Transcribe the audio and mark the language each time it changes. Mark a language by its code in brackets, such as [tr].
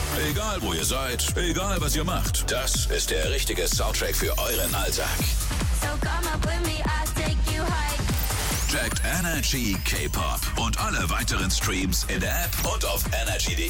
[de] Egal wo ihr seid, egal was ihr macht, das ist der richtige Soundtrack für euren Alltag. [en] So come up with me, I'll take you high. [de] Checkt Energy K-Pop und alle weiteren Streams in der App und auf energy.de.